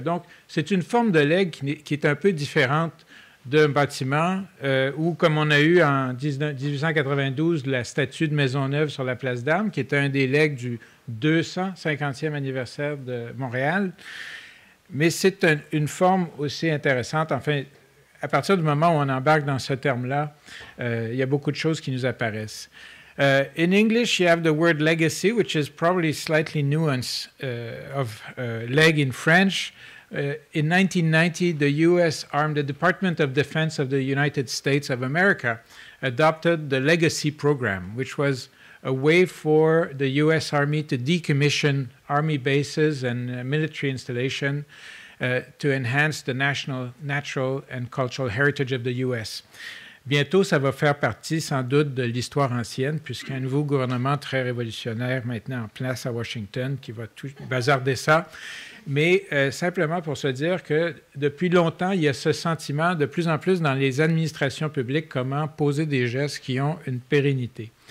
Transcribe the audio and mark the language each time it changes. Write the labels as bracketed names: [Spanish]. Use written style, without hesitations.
[French] Donc, c'est une forme de legs qui est un peu différente d'un bâtiment où, comme on a eu en 1892, la statue de Maisonneuve sur la place d'Armes, qui est un des legs du 250e anniversaire de Montréal. Mais c'est une forme aussi intéressante. Enfin, à partir du moment où on embarque dans ce terme-là, il y a beaucoup de choses qui nous apparaissent. [English] In English, you have the word legacy, which is probably slightly nuanced of leg in French. In 1990, the U.S. Army, the Department of Defense of the United States of America, adopted the Legacy Program, which was a way for the U.S. Army to decommission Army bases and military installation to enhance the national, natural and cultural heritage of the U.S. [French] Bientôt, ça va faire partie sans doute de l'histoire ancienne, puisqu'un nouveau gouvernement très révolutionnaire maintenant en place à Washington qui va tout bazarder ça. Mais simplement pour se dire que depuis longtemps, il y a ce sentiment de plus en plus dans les administrations publiques comment poser des gestes qui ont une pérennité.